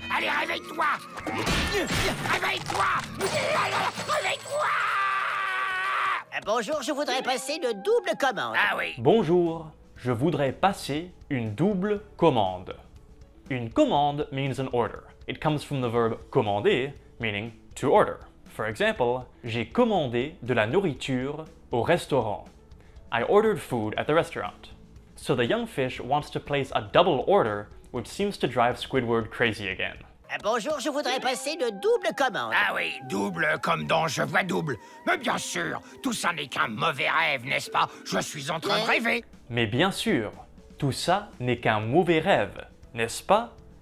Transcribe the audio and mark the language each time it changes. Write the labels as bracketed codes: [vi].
[fr] Allez, réveille-toi! Réveille-toi! Réveille-toi! Bonjour, je voudrais passer une double commande. Ah oui. Bonjour, je voudrais passer une double commande. [en] Une commande means an order. It comes from the verb commander, meaning to order. For example, [fr] j'ai commandé de la nourriture au restaurant. [en] I ordered food at the restaurant. So the young fish wants to place a double order, which seems to drive Squidward crazy again. [fr] Bonjour, je voudrais passer une double commande. Ah oui, double comme dans Je vois double. Mais bien sûr, tout ça n'est qu'un mauvais rêve, n'est-ce pas? Je suis en train de rêver. Mais bien sûr, tout ça n'est qu'un mauvais rêve, n'est-ce pas?